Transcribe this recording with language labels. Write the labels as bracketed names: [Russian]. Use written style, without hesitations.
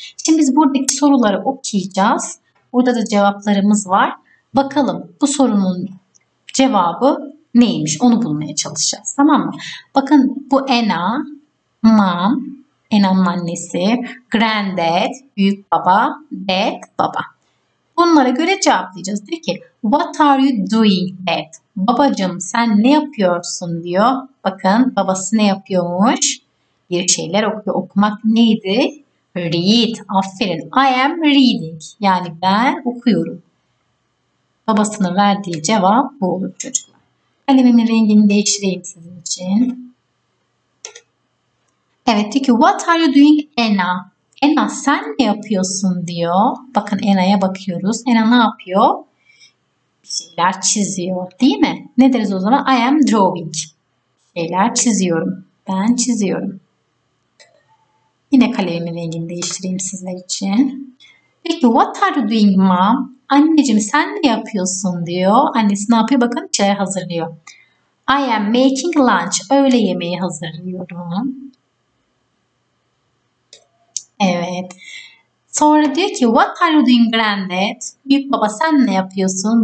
[Turkish] Şimdi biz buradaki soruları okuyacağız. Burada da cevaplarımız var. Bakalım bu sorunun cevabı neymiş? Onu bulmaya çalışacağız. Tamam mı? Bakın bu Anna, mom, Anna'nın annesi, granddad, büyük baba, dad, baba. Bunlara göre cevaplayacağız. Diyor ki [English] what are you doing, dad? [Turkish] Babacığım sen ne yapıyorsun diyor. Bakın babası ne yapıyormuş? Bir şeyler okuyor. Okumak neydi? Read. Aferin. [English] I am reading. [Turkish] Yani ben okuyorum. Babasının verdiği cevap bu olur çocuklar. Kalemimin rengini değiştireyim sizin için. Evet diyor ki [English] what are you doing, Anna? [Turkish] Anna sen ne yapıyorsun diyor. Bakın Anna'ya bakıyoruz. Anna ne yapıyor? Bir şeyler çiziyor değil mi? Ne deriz o zaman? [English] I am drawing. [Turkish] Şeyler çiziyorum. Ben çiziyorum. Yine kalemimin rengini değiştireyim sizler için. Peki [English] what are you doing mom? [Turkish] Anneciğim sen ne yapıyorsun diyor. Annesi ne yapıyor? Bakın çay hazırlıyor. [English] I am making lunch. [Turkish] Öğle yemeği hazırlıyorum. Evet. Sonra diyor ki [English] what are you doing granddad? [Turkish] Büyük baba sen ne yapıyorsun?